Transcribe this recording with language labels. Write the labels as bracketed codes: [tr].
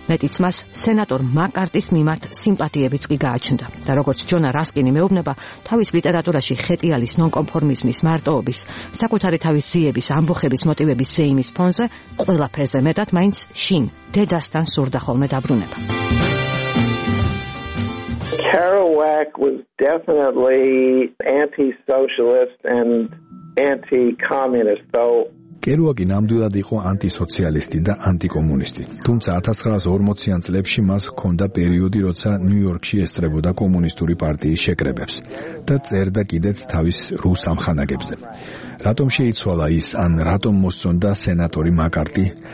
[ka] მეტიც, მას სენატორ მაკარტის მიმართ სიმპათიებიც კი გააჩნდა. და როგორც ჯონა რასკინი მეუბნება, თავის ლიტერატურაში ხეტიალის ნონკონფორმიზმის, მარტოობის, საკუთარი თავის ძიების, ამბოხების მოტივების ზეიმის ფონზე ყველაფერზე მეტად მაინც შინ, დედასთან სურდა ხოლმე დაბრუნება. [en] Kerouac was definitely anti-socialist and anti-communist, though. [ka] Kerouac-ი ნამდვილად იყო ანტისოციალისტი და ანტიკომუნისტი. თუმცა 1940-იან წლებში მას ჰქონდა პერიოდი, როცა ნიუ-იორკში ესწრებოდა კომუნისტური პარტიის შეკრებებს და წერდა კიდეც თავის რუს ამხანაგებზე. რატომ შეიცვალა ის, ან რატომ მოსწონდა სენატორი მაკარტი?